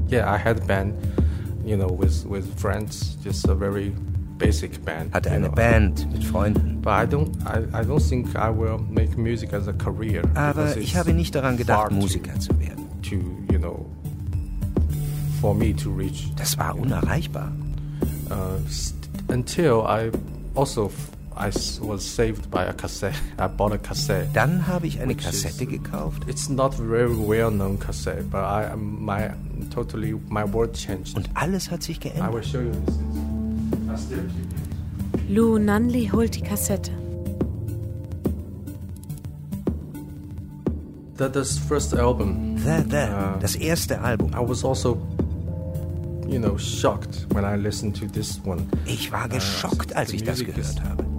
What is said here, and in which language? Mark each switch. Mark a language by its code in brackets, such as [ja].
[en] Yeah, I had a band, you know, with friends, just a very basic band. [de] Hatte eine Band mit Freunden. [en] But I don't think I will make music as a career. [de] Aber ich habe nicht daran gedacht, Musiker zu werden. [en] To, you know, for me to reach. [de] Das war unerreichbar. [en] Until I was saved by a cassette. I bought a cassette. [de] Dann habe ich eine Kassette gekauft. [en] It's not very well known cassette, but my world changed. [de] Und alles hat sich geändert. [en] I will show you this. [de] Lu Nanli holt die Kassette. [en] That's first album. [de] Das erste Album. [en] I was also, you know, shocked when I listened to this one. [de] Ich war geschockt, als ich das gehört habe.